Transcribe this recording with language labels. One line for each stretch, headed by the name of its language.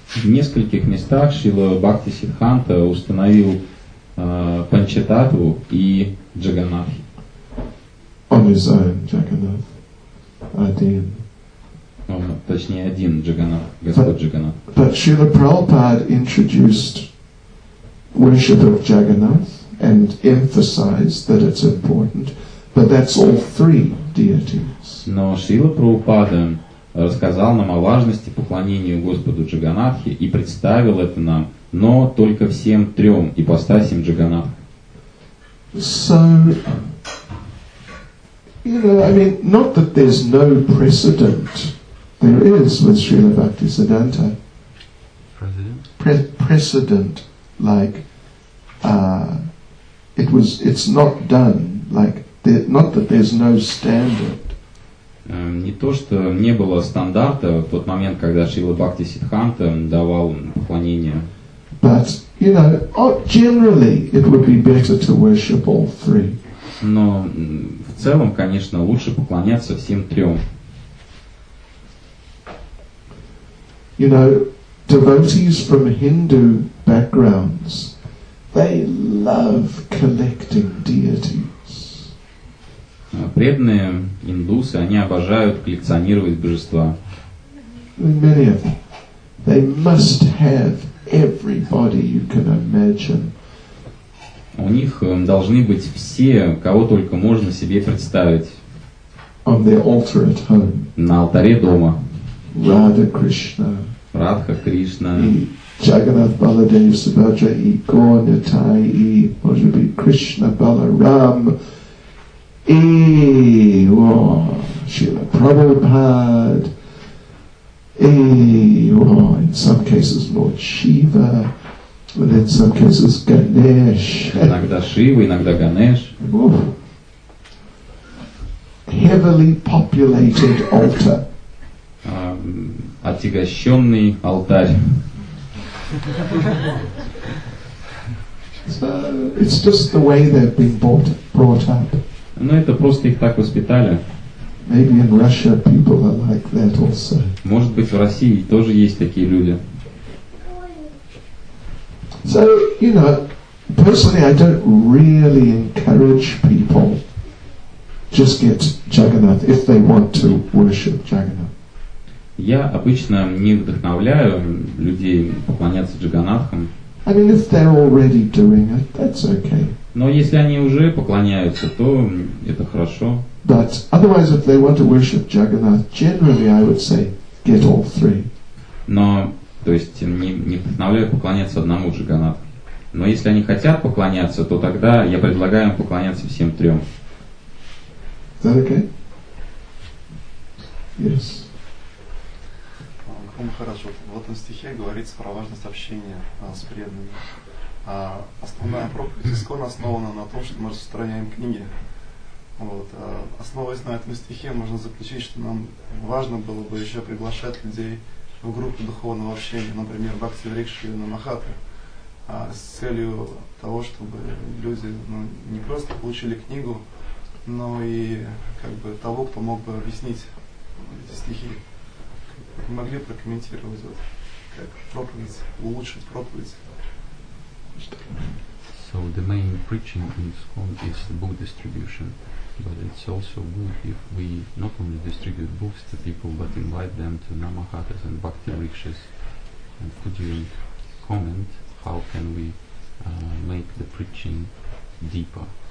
Russian: В нескольких местах Шрила Бхакти Сиддханта установил Панчататву и Джаганнатху.
English: On his own, Jagannath.
Russian: Один. Точнее, один Джаганнат, Господь Джаганнат.
English: But Srila Prabhupada introduced worship of Jagannath and emphasized that it's important, but that's all three deities.
Russian: Но Шрила Прабхупада рассказал нам о важности поклонения Господу Джаганнатхе и представил это нам, но только всем трем ипостасям Джаганнатхе.
English: So, you know, I mean, not that there's no precedent. There is with Srila Bhakti Siddhanta. Precedent, like it was. It's not done. Like not that there's no standard.
Russian: Не то, что не было стандарта в тот момент, когда Шрила Бхакти Сиддханта давал поклонение.
English: But you know, generally, it would be better to worship all three.
Russian: Но в целом, конечно, лучше поклоняться всем трем.
English: You know, devotees from Hindu backgrounds, they love collecting deities.
Russian: Преданные индусы, они обожают коллекционировать божества.
English: Many of them. They must have everybody you can imagine.
Russian: У них должны быть все, кого только можно себе представить.
English: On their altar at home.
Russian: На алтаре дома.
English: Radha Krishna.
Russian: Радха Кришна,
English: Jagannath Baladev Subhadra I Gaur Nitai I
Russian: Может быть
English: Krishna Balaram I Srila Prabhupada in some cases Lord Shiva, but in some cases Ganesh.
Russian: Иногда Шива, иногда Ганеш.
English: Heavily populated altar.
Russian: Отягощенный алтарь.
English: So it's just the way they've been brought up.
Russian: Ну это просто их так воспитали.
English: Maybe in Russia people are like that also.
Russian: Может быть в России тоже есть такие люди.
English: So you know, personally, I don't really encourage people just get Jagannath if they want to worship Jagannath.
Russian: Я обычно не вдохновляю людей поклоняться Джаганатхам.
English: I mean, if they're already doing it, that's okay.
Russian: Но если они уже поклоняются, то это хорошо.
English: But otherwise, if they want to worship Jagannath, generally I would say get all three.
Russian: Но, то есть, не вдохновляю поклоняться одному Джаганатху. Но если они хотят поклоняться, то тогда я предлагаю им поклоняться всем трем.
English: Is that okay? Yes.
Russian: Хорошо. В этом стихе говорится про важность общения с преданными. А основная проповедь ИСККОН основана на том, что мы распространяем книги. Вот. А основываясь на этом стихе, можно заключить, что нам важно было бы еще приглашать людей в группу духовного общения, например, Бхакти Врикши на Махатры, с целью того, чтобы люди не просто получили книгу, но и как бы того, кто мог бы объяснить эти стихи. Могли прокомментировать вот как проповедь, улучшить проповедь.
English: So the main preaching in ISKCON is the book distribution, but it's also good if we not only distribute books to people, but invite them to Namahatas and Bhakti Rikshas. And could you comment how can we make the preaching deeper?